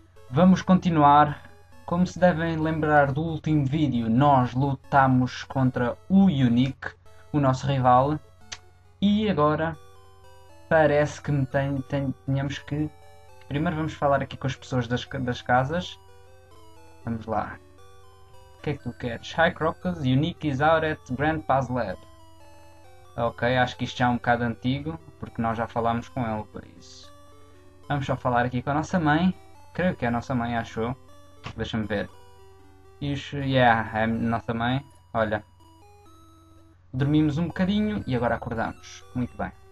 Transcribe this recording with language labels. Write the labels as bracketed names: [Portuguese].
[Portuguese] Vamos continuar. Como se devem lembrar do último vídeo, nós lutamos contra o Unique, o nosso rival. E agora parece que tínhamos que. Primeiro vamos falar aqui com as pessoas das casas. Vamos lá. O que é que tu queres? [English] Hi Crocus, Unique is out at Grandpa's Lab. [Portuguese] Ok, acho que isto já é um bocado antigo, porque nós já falámos com ele, por isso. Vamos só falar aqui com a nossa mãe. Creio que é a nossa mãe, achou? Deixa-me ver. Isso, yeah, é a nossa mãe. Olha. Dormimos um bocadinho e agora acordamos. Muito bem.